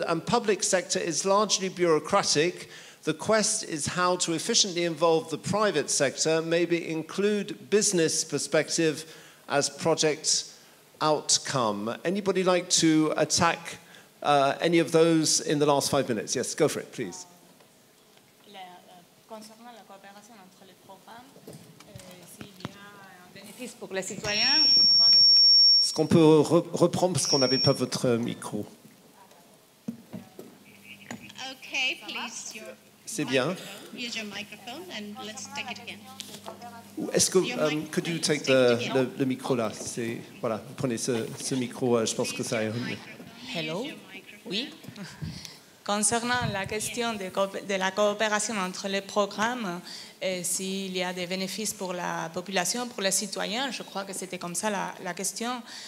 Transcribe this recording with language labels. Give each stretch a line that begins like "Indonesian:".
English: And public sector is largely bureaucratic. The quest is how to efficiently involve the private sector, maybe include business perspective as project outcome. Anybody like to attack any of those in the last 5 minutes? Yes, go for it, please.
French: Concernant la coopération entre les programmes, s'il y a un bénéfice pour les citoyens, est-ce qu'on peut reprendre parce qu'on n'avait pas votre micro?
English: Okay, please.
French: C'est bien.
English: Use your microphone and let's take it again.
French: Est-ce que,
English: could you take the micro là?
French: C'est, voilà, prenez ce micro, je pense que ça aille. Hello? Oui? Concernant la question de la coopération entre les programmes, et s'il y a des bénéfices pour la population, pour les citoyens, je crois que c'était comme ça la question.